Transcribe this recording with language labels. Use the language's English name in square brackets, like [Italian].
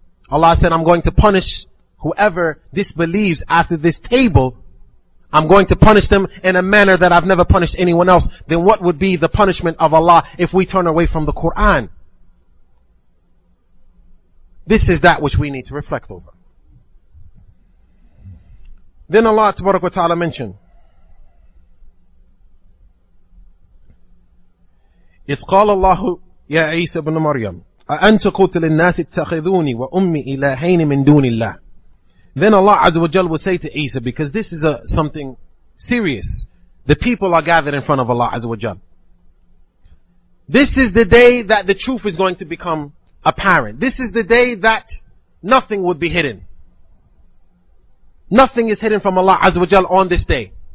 [English] Allah said, I'm going to punish whoever disbelieves after this table, I'm going to punish them in a manner that I've never punished anyone else. Then what would be the punishment of Allah if we turn away from the Quran? This is that which we need to reflect over. Then Allah tabarak wa ta'ala mentioned, [Arabic] إِذْ قَالَ اللَّهُ يَا عِيسَى بْنُ مَرْيَمَ أَأَنْتَ قُلْتَ لِلنَّاسِ اتَّخِذُونِي وَأُمِّي إِلَهَيْنِ مِنْ دُونِ اللَّهِ. [English] Then Allah Azza wa Jal will say to Isa, because this is something serious. The people are gathered in front of Allah Azza wa Jal. This is the day that the truth is going to become apparent. This is the day that nothing would be hidden. Nothing is hidden from Allah Azza wa Jal on this day.